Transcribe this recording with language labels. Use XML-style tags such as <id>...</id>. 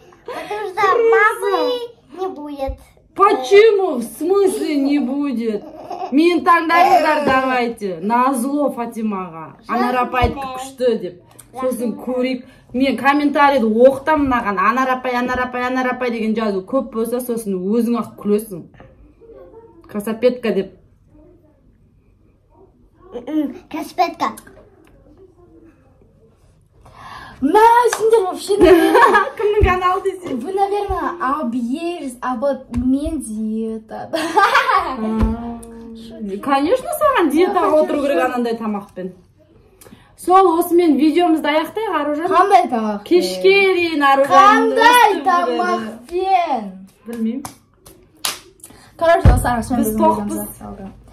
<ru>Потому что мамы не будет. Почему? В смысле не будет?</ru> <kk>Мен таңдайыңдар</kk> <ru>давайте.</ru> <kk>Назло Фатимаға. Анар апай күшті деп. Сосын көрейік. Мен комментарияды оқытам мынаған. Анар апай, анар апай, анар апай деген жазу көп болса, сосын өзің ақ күлесің. Красапетка деп. Красапетка. Мә, сендер</kk> <ru>вообще не</ru> <kk>кімнің каналы десе?</kk> <ru>Вы, наверное, объелись, а вот</ru> <kk>мен диета. Конечно, саған диетаға отыру керек анандай тамақпен. Сол осымен видеомызды аяқтайық, Аружан. Қандай тамақ? Кешке дейін, Аружан. Қандай тамақпен? Білмеймін. Короче, достар, осымен біз тоқпыз.</kk>